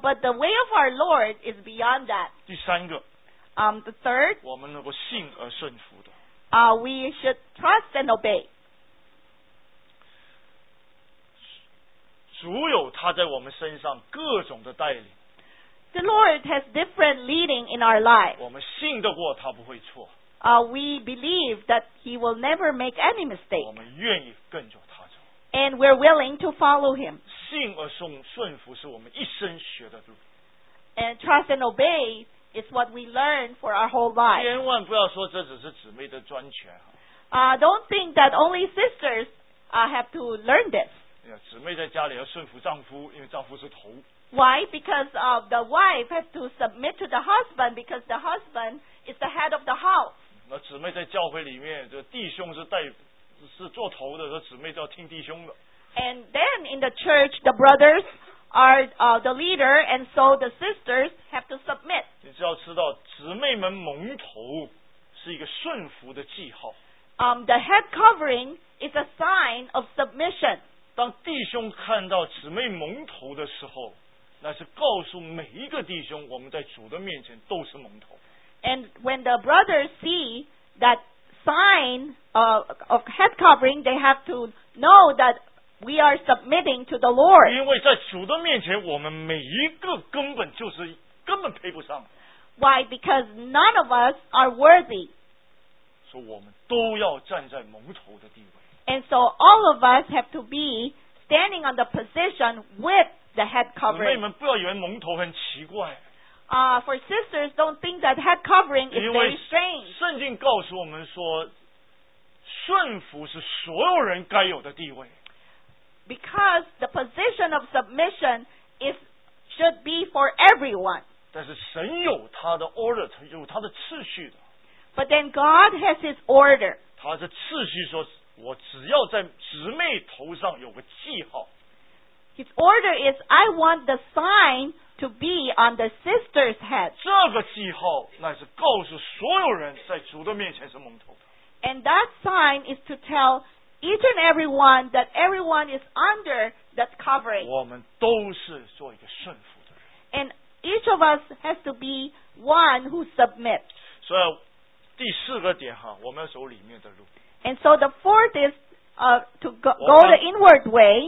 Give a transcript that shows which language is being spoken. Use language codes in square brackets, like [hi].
[en] But the way of our Lord is beyond that. [zh] 第三个。 [en] The third. [zh] 我们能够信而顺服的。 [en] We should trust and obey. [zh] 主有他在我们身上各种的带领。 [en] The Lord has different leading in our life. [zh] 我们信得过他不会错。 [en] We believe that he will never make any mistake. [zh] 我们愿意跟着他走。 [en] And we're willing to follow him. [zh] 信而顺服是我们一生学的路。 [en] And trust and obey is what we learn for our whole life. [zh] 千万不要说这只是姊妹的专权。 [en] Don't think that only sisters have to learn this. [zh] 姊妹在家里要顺服丈夫，因为丈夫是头。 [en] Why? Because the wife has to submit to the husband because the husband is the head of the house. [zh] 那姊妹在教会里面，这弟兄是做头的，这姊妹就要听弟兄的。 [en] And then in the church, the brothers are the leader, and so the sisters have to submit. [zh] 你只要知道，姊妹们蒙头是一个顺服的记号。 [en] The head covering is a sign of submission. [zh] 当弟兄看到姊妹蒙头的时候，那是告诉每一个弟兄，我们在主的面前都是蒙头。 [en] And when the brothers see that sign of head covering, they have to know that we are submitting to the Lord. [zh] 因为在主的面前，我们每一个根本就是根本配不上。 [en] Why? Because none of us are worthy. [zh] 所以我们都要站在蒙头的地位。 [en] And so all of us have to be standing on the position with the head covering. [zh] 姊妹们不要以为蒙头很奇怪。 [en] For sisters, don't think that head covering is very strange. [zh] 圣经告诉我们说，顺服是所有人该有的地位。 [en] Because the position of submission should be for everyone. [zh] 但是神有他的 order, 有他的次序的。 [en] But then God has his order. [zh] 他的次序说，我只要在姊妹头上有个记号。 [en] His order is, I want the sign to be on the sister's head. [zh] 这个记号乃是告诉所有人在主的面前是蒙头的。 [en] And that sign is to tell each and everyone that everyone is under that covering. [zh] 我们都是做一个顺服的。 [en] And each of us has to be one who submits. [zh] 所以第四个点哈，我们要走里面的路。 [en] And so the fourth is to go the inward way.